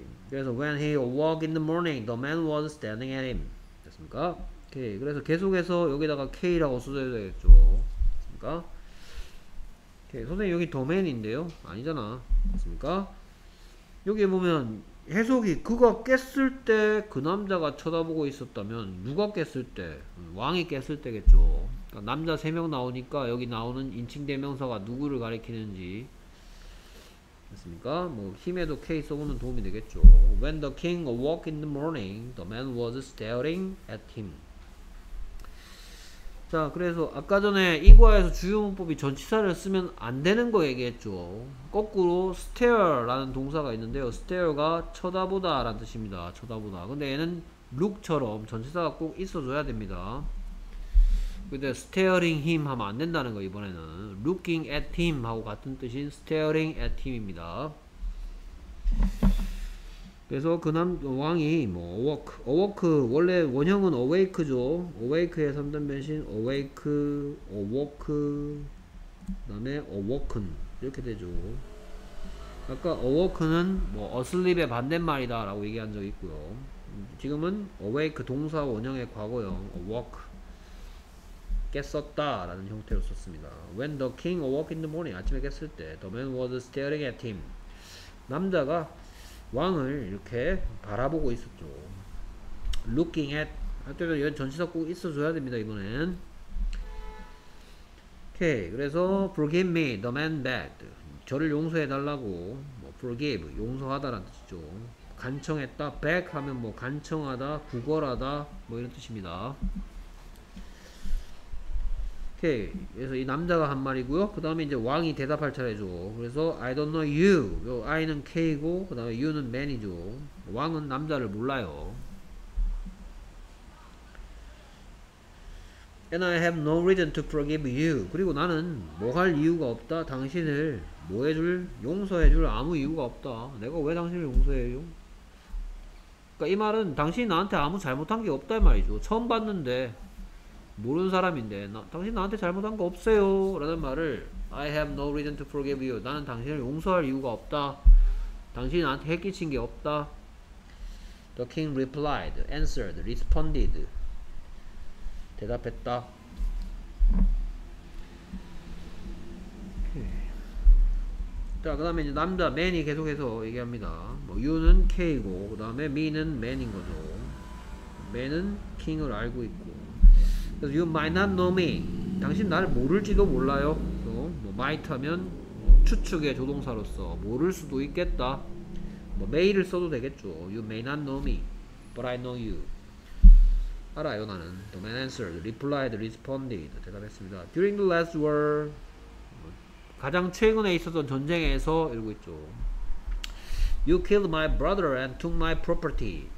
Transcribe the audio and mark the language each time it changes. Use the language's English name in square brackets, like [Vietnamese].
[English] 그래서 when he awoke in the morning, the man was standing at him. [Korean] 됐습니까? 오케이. 그래서 계속해서 여기다가 K라고 써줘야 되겠죠. 됐습니까? 오케이. 선생님 여기 the man인데요? 아니잖아. 됐습니까? 여기 보면 해석이 그가 깼을 때 그 남자가 쳐다보고 있었다면 누가 깼을 때? 왕이 깼을 때겠죠. 그러니까 남자 3명 나오니까 여기 나오는 인칭 대명사가 누구를 가리키는지 됐습니까? 뭐 힘에도 K 써보는 도움이 되겠죠. [English] When the king awoke in the morning, the man was staring at him. [Korean] 자, 그래서 아까 전에 이과에서 주요 문법이 전치사를 쓰면 안 되는 거 얘기했죠. 거꾸로 stare라는 동사가 있는데요. stare가 쳐다보다 라는 뜻입니다. 쳐다보다. 근데 얘는 look처럼 전치사가 꼭 있어줘야 됩니다. 근데 staring him 하면 안 된다는 거 이번에는 looking at him 하고 같은 뜻인 staring at him입니다. 그래서 그 남 왕이 뭐 awake 원래 원형은 awake죠. awake의 3단 변신 awake, awoke 그다음에 awoken 이렇게 되죠. 아까 awoken은 뭐 asleep의 반대말이다라고 얘기한 적이 있고요. 지금은 awake 동사 원형의 과거형 awake 깼었다 라는 형태로 썼습니다. [English] When the king awoke in the morning [Korean] 아침에 깼을 때 [English] the man was staring at him 남자가 [Korean] 왕을 이렇게 바라보고 있었죠. [English] Looking at. [Korean] 하여튼 여기 전치사 꼭 있어줘야 됩니다, 이번엔. 오케이. 그래서 [English] forgive me, the man bad. [Korean] 저를 용서해달라고. 뭐 forgive, 용서하다라는 뜻이죠. 간청했다, back 하면 뭐 간청하다, 구걸하다 뭐 이런 뜻입니다. 오케이. 그래서 이 남자가 한 말이고요. 그 다음에 이제 왕이 대답할 차례죠. 그래서 [English] I don't know you. [Korean] 요 I는 K고 그 다음에 U는 man이죠. 왕은 남자를 몰라요. [English] And I have no reason to forgive you. [Korean] 그리고 나는 뭐 할 이유가 없다. 당신을 뭐 해줄, 용서해줄 아무 이유가 없다. 내가 왜 당신을 용서해요? 그러니까 이 말은 당신이 나한테 아무 잘못한 게 없다 말이죠. 처음 봤는데 모르는 사람인데 당신 나한테 잘못한 거 없어요 라는 말을 [English] I have no reason to forgive you. [Korean] 나는 당신을 용서할 이유가 없다. 당신이 나한테 해 끼친 게 없다. [English] The king replied, answered, responded. [Korean] 대답했다. 자, 그 다음에 이제 남자 man이 계속해서 얘기합니다. 뭐 you는 k고 그 다음에 me는 man인거죠. man은 king을 알고 있고. [English] 그래서 you might not know me. [Korean] 당신 나를 모를지도 몰라요. 그래서 뭐 might 하면 뭐 추측의 조동사로서 모를 수도 있겠다. 뭐 may를 써도 되겠죠. [English] you may not know me, but I know you. [Korean] 알아요 나는. [English] The man answered, replied, responded. [Korean] 대답했습니다. [English] During the last war, [Korean] 가장 최근에 있었던 전쟁에서 이러고 있죠. [English] You killed my brother and took my property.